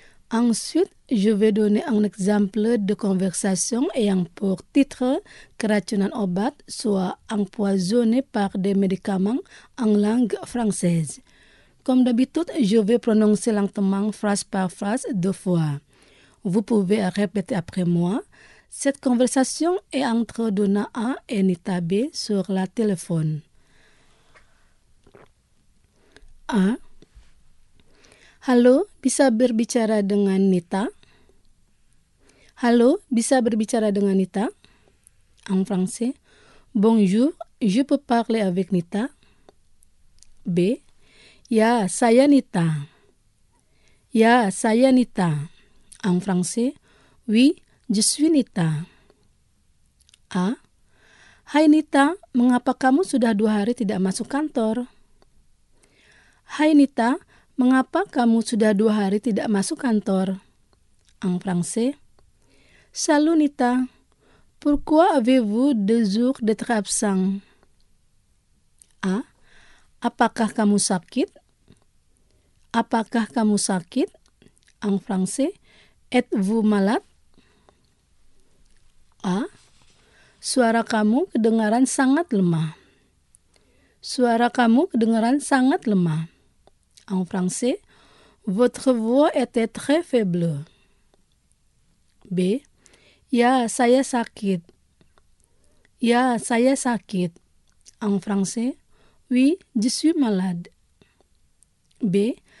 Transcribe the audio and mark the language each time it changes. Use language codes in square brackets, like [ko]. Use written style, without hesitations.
[fr] Ensuite, je vais donner un exemple de conversation ayant pour titre [id] keracunan obat, [fr] soit empoisonné par des médicaments en langue française. Comme d'habitude, je vais prononcer lentement phrase par phrase deux fois. Vous pouvez répéter après moi. Cette conversation est entre Donna A et Nita B sur la téléphone. A. [id] Halo, bisa berbicara dengan Nita? Halo, bisa berbicara dengan Nita? [fr] En français. Bonjour, je peux parler avec Nita? [id] B. Ya, saya Nita. Ya, saya Nita. [fr] En français. Oui, je suis Nita. A. [id] Hai Nita, mengapa kamu sudah dua hari tidak masuk kantor? Hai Nita, mengapa kamu sudah dua hari tidak masuk kantor? [fr] En français. Salut Nita, pourquoi avez-vous deux jours d'être absent? [id] A. Apakah kamu sakit? Apakah kamu sakit? [fr] En français. Êtes-vous malade? A. [id] Suara kamu kedengaran sangat lemah. Suara kamu kedengaran sangat lemah. [fr] En français, votre voix était très faible. B. [id] Ya, saya sakit. Ya, saya sakit. [fr] En français, oui, je suis malade. B.